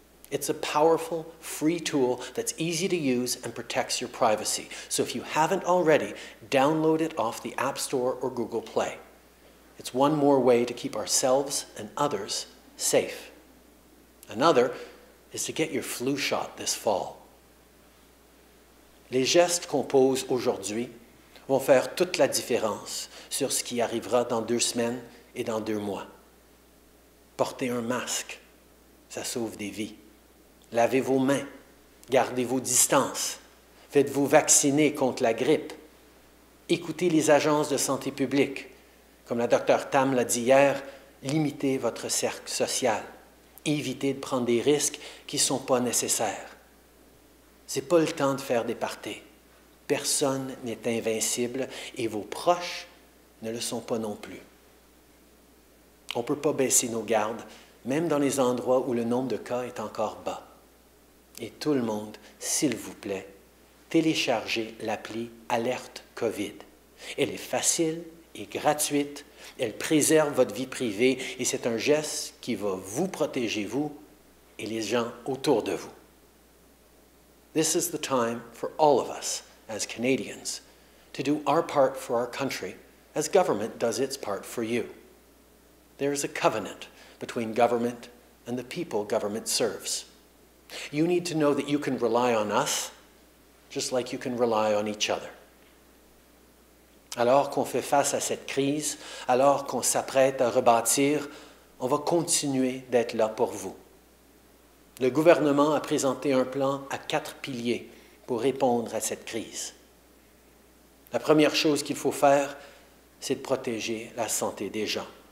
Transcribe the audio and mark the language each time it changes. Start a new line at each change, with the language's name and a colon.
English: It's a powerful, free tool that's easy to use and protects your privacy. So if you haven't already, download it off the App Store or Google Play. It's one more way to keep ourselves and others safe. Another is to get your flu shot this fall.
French: Les gestes qu'on pose aujourd'hui vont faire toute la différence sur ce qui arrivera dans deux semaines et dans deux mois. Portez un masque, ça sauve des vies. Lavez vos mains, gardez vos distances, faites-vous vacciner contre la grippe. Écoutez les agences de santé publique. Comme la docteur Tam l'a dit hier, limitez votre cercle social. Évitez de prendre des risques qui ne sont pas nécessaires. Ce n'est pas le temps de faire des parties. Personne n'est invincible et vos proches ne le sont pas non plus. On ne peut pas baisser nos gardes, même dans les endroits où le nombre de cas est encore bas. Et tout le monde, s'il vous plaît, téléchargez l'appli Alerte COVID. Elle est facile et gratuite. Elle préserve votre vie privée et c'est un geste qui va vous protéger, vous et les gens autour de vous.
English: This is the time for all of us, as Canadians, to do our part for our country, as government does its part for you. There is a covenant between government and the people government serves. You need to know that you can rely on us, just like you can rely on each other.
French: Alors qu'on fait face à cette crise, alors qu'on s'apprête à rebâtir, on va continuer d'être là pour vous. Le gouvernement a présenté un plan à quatre piliers pour répondre à cette crise. La première chose qu'il faut faire, c'est de protéger la santé des gens.